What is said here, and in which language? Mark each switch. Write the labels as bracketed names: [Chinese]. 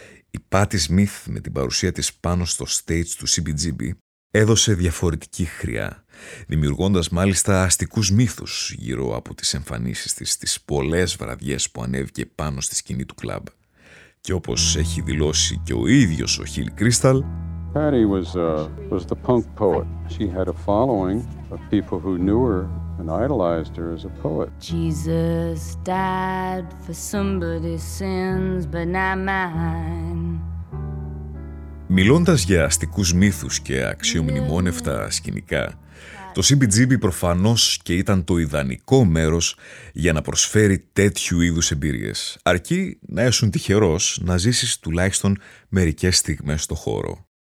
[Greek] Η Patti Smith με την παρουσία της πάνω στο stage του CBGB έδωσε διαφορετική χρειά, δημιουργώντας μάλιστα αστικούς μύθους γύρω από τις εμφανίσεις της στις πολλές βραδιές που ανέβηκε πάνω στη σκηνή του κλαμπ. Και όπως έχει δηλώσει και ο ίδιος ο Hill Crystal, [English] Patti was the punk poet. She had a following of people who knew her and idolized her as a poet. Jesus died for somebody's sins, but not mine. [Greek] Μιλώντας για αστικούς μύθους και αξιομνημόνευτα σκηνικά, το CBGB προφανώς και ήταν το ιδανικό μέρος για να προσφέρει τέτοιου είδους εμπειρίες, αρκεί να έσουν τυχερός να ζήσεις τουλάχιστον μερικές στιγμές στο χώρο.